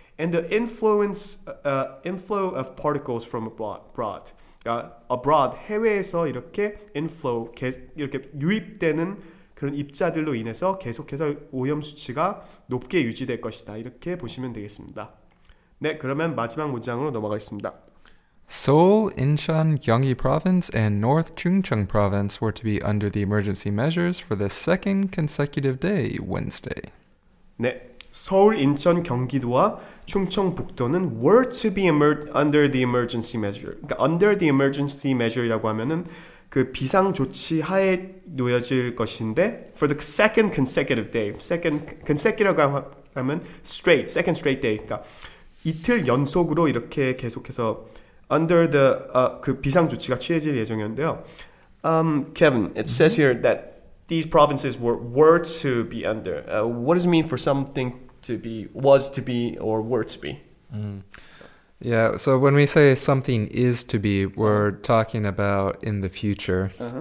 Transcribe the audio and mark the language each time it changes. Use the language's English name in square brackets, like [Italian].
[English] And the influence, inflow of particles from abroad, abroad [Korean] 해외에서 이렇게 inflow 이렇게 유입되는 그런 입자들로 인해서 계속해서 오염 수치가 높게 유지될 것이다 이렇게 보시면 되겠습니다. 네, 그러면 마지막 문장으로 넘어가겠습니다. [English] Seoul, Incheon, Gyeonggi Province, and North Chungcheong Province were to be under the emergency measures for the second consecutive day Wednesday. [Korean] 네, 서울, 인천, 경기도와 충청북도는 [English] were to be under the emergency measure. [Korean] 그러니까 [English] under the emergency measure [Korean] 라고 하면은 그 비상조치 하에 놓여질 것인데 [English] for the second consecutive day. second consecutive라고 하면 straight, second straight day. [Korean] 그러니까 이틀 연속으로 이렇게 계속해서 [English] under the [Korean] 그 비상조치가 취해질 예정이었는데요. [English] Kevin, it says here that these provinces were to be under. What does it mean for something to be, was to be, or were to be? Mm. Yeah, so when we say something is to be, we're talking about in the future.